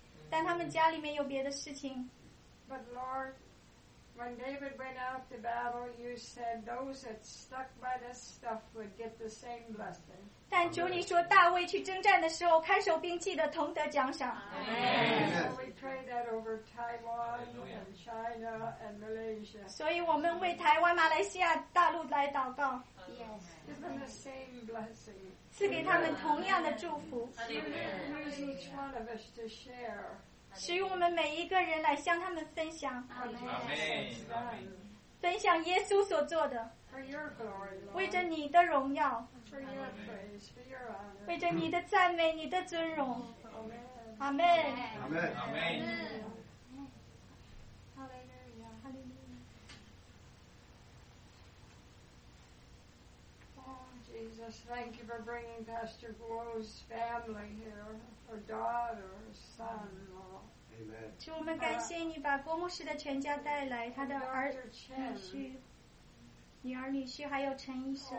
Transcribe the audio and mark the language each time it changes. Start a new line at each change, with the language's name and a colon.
Chinese: 但他们家里面有别的事情。
English: But Lord, when David went out to battle, you said those that stuck by the stuff would get the same blessing.
Chinese: 但主你说大卫去征战的时候，看守兵器的同得奖赏。
English: Amen. So we pray that over Taiwan and China and Malaysia.
Chinese: 所以我们为台湾、马来西亚大陆来祷告。
English: Yes. Give them the same blessing.
Chinese: 赐给他们同样的祝福。
English: Amen. Use each one of us to share.
Chinese: 使用我们每一个人来向他们分享。
English: Amen.
Chinese: 分享耶稣所做的。
English: For your glory, Lord.
Chinese: 为着你的荣耀。
English: For your praise, for your honor.
Chinese: 为着你的赞美，你的尊荣。
English: Amen. Amen. Amen. Amen. Hallelujah. Hallelujah. Oh, Jesus, thank you for bringing Pastor Guo's family here. Or daughter, son-in-law.
Chinese: 主，我们感谢你把郭牧师的全家带来，他的儿女婿、女儿女婿，还有陈医生。